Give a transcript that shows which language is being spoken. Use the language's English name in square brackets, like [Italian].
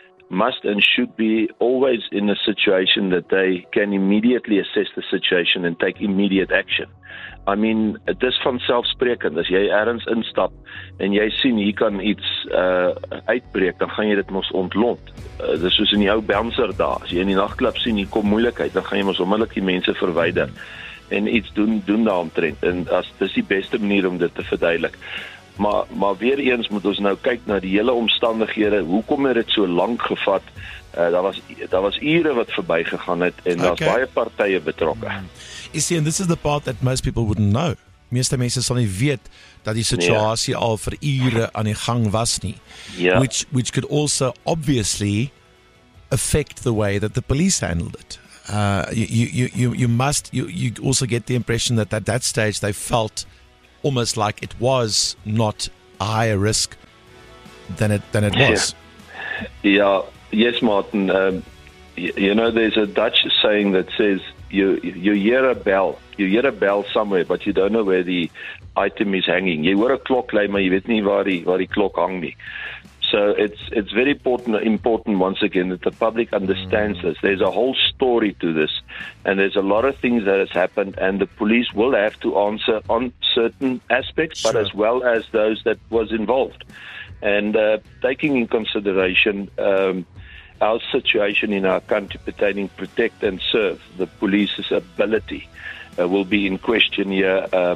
[English] must and should be always in a situation that they can immediately assess the situation and take immediate action. I mean, [Afrikaans] dit is van selfsprekend. As jy ergens instap en jy sien hier kan iets uitbreek, dan gaan jy dit mos ontlont. Dit is soos in die ou bouncer daar. As jy in die nachtklub sien, hier kom moeilikheid, dan gaan jy mos onmiddellik die mense verwyder en iets doen daaromtrent. En as dit is die beste manier om dit te verduidelik. Maar weer eens moet ons nou kyk na die hele omstandighede. Hoekom het dit so lank gevat? Daar was ure wat verby gegaan het en daar's baie partye betrokke. [English] You see, and this is the part that most people wouldn't know. [Afrikaans] Meeste mense sal nie weet dat die situasie al vir ure aan die gang was nie. [English] Yeah. Which could also obviously affect the way that the police handled it. You also get the impression that at that stage they felt almost like it was not a higher risk than it was. Yeah. Yes, Martin. You know, there's a Dutch saying that says you hear a bell. You hear a bell somewhere, but you don't know where the item is hanging. You hear a clock, [Afrikaans] maar jy weet nie waar die klok hang nie. [English] So it's very important once again that the public understands this. There's a whole story to this, and there's a lot of things that has happened, and the police will have to answer on certain aspects, sure. But as well as those that was involved. And taking in consideration our situation in our country pertaining protect and serve, the police's ability will be in question here.